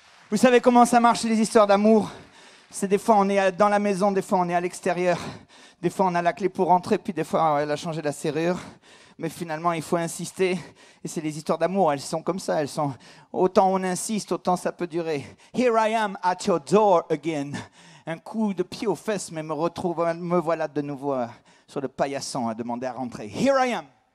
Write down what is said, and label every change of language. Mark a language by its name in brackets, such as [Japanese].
[French] Vous savez comment ça marche, les histoires d'amour? C'est des fois, on est dans la maison, des fois, on est à l'extérieur. Des fois, on a la clé pour rentrer, puis des fois, elle a changé la serrure. Mais finalement, il faut insister. Et c'est les histoires d'amour, elles sont comme ça. Elles sont... Autant on insiste, autant ça peut durer. [English] Here I am at your door again. [French] Un coup de pied aux fesses, mais me voilà de nouveau sur le paillasson à demander à rentrer. [English] Here I am.